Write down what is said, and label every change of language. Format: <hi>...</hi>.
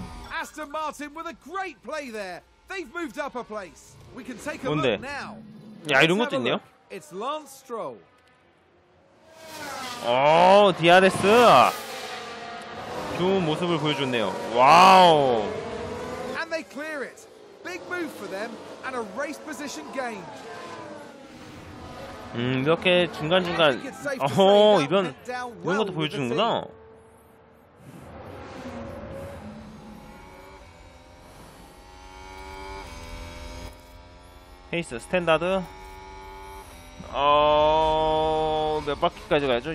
<en>아스턴 마틴 with a great play there. They've moved up a place. We can take a look now.</en> <ko>야 이런 것도 있네요.</ko> <en>It's Lance Stroll.</en> <ko>오, DRS. 좋은 모습을 보여줬네요. 와우.</ko> <en>And they clear it. Big move for them and a race position gained.</en> <ko>이렇게 중간중간 어허 이런 이런 것도 보여주는구나. 페이스 스탠다드 몇 바퀴까지 가야죠?</ko>